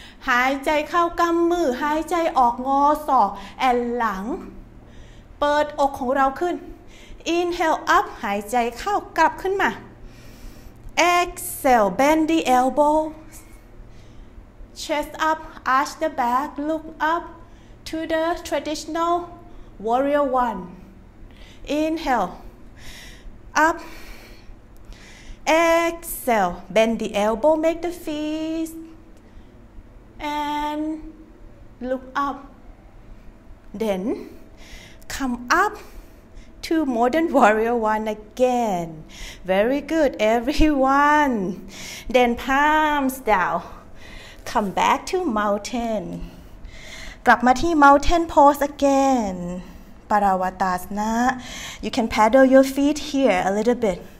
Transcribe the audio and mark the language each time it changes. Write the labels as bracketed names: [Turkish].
[Thai] หายใจเข้ากำมือหายใจออกงอศอกแอนหลังเปิดอกของเราขึ้น [English] Inhale up, [Thai] หายใจเข้ากลับขึ้นมา [English] Exhale, bend the elbow, chest up, arch the back, look up to the traditional warrior one. Inhale, up, exhale, bend the elbow, make the feet, and look up. Then, come up. To modern warrior one again. Very good, everyone. Then palms down. Come back to mountain. [Thai] กลับมาที่ [English] mountain pose again. Parawatasana. You can paddle your feet here a little bit.